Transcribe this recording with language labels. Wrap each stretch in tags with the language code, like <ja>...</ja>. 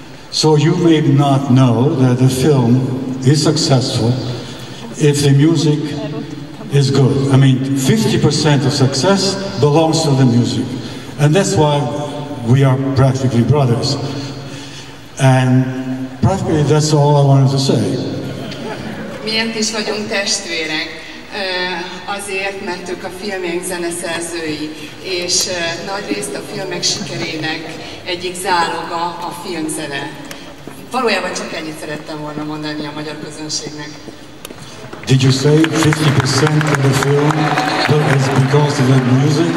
<en>So you may not know that the film is successful if the music is good. I mean, 50% of success belongs to the music. And that's why we are practically brothers. And practically that's all I wanted to say.</en> <hu>Miért is vagyunk testvérek? Azért, mert ők a filmjeink zeneszerzői, és nagy részt a filmek sikerének egyik záloga a filmzene. Valójában csak ennyit szerettem volna mondani a magyar közönségnek.</hu> <en>Did you say 50% of the film is because of the music?</en>